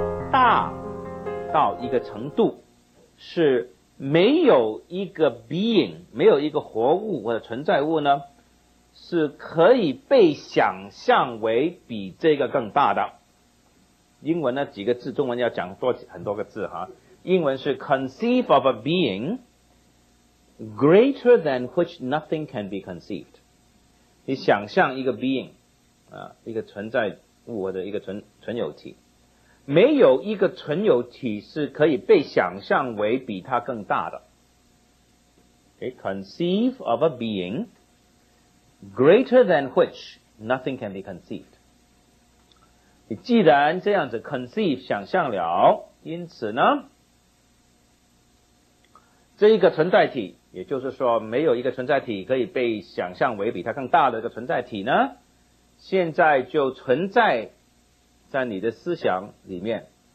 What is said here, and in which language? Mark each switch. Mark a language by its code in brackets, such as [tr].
[zh] 大到一个程度，是没有一个 being， 没有一个活物或者存在物呢，是可以被想象为比这个更大的。英文呢几个字，中文要讲多很多个字哈。英文是 [en] conceive of a being greater than which nothing can be conceived。 [zh] 你想象一个 being， 啊，一个存在物或者一个存有体。没有一个存有体是可以被想象为比它更大的。 [en] Okay, conceive of a being greater than which nothing can be conceived。 [zh] 你既然这样子 conceive 想象了，因此呢，这一个存在体，也就是说没有一个存在体可以被想象为比它更大的一个存在体呢，现在就存在在你的思想里面。